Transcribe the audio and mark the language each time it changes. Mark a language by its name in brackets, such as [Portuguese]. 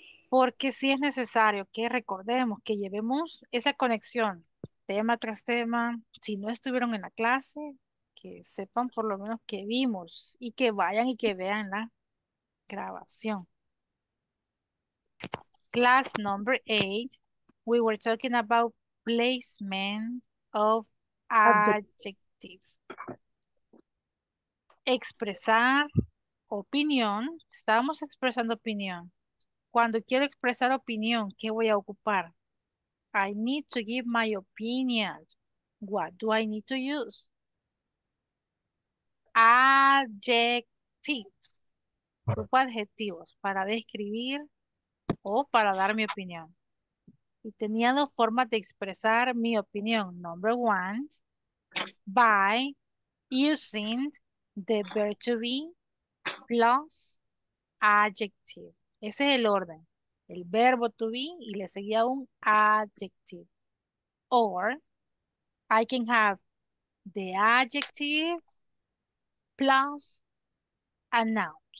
[Spanish] Porque sí es necesario que recordemos, que llevemos esa conexión tema tras tema. Si no estuvieron en la clase, que sepan por lo menos que vimos y que vayan y que vean la grabación. [English] Class number 8, we were talking about placement of adjectives. [Spanish] Expresar opinión. Estábamos expresando opinión. Cuando quiero expresar opinión, ¿qué voy a ocupar? [English] I need to give my opinion. What do I need to use? [Spanish] Adjectives. Ocupo adjetivos para describir o para dar mi opinión. Y tenía dos formas de expresar mi opinión. [English] Number one, by using the verb to be plus adjective. [Spanish] Ese es el orden. El verbo to be y le seguía un adjective. [English] Or, I can have the adjective plus a noun.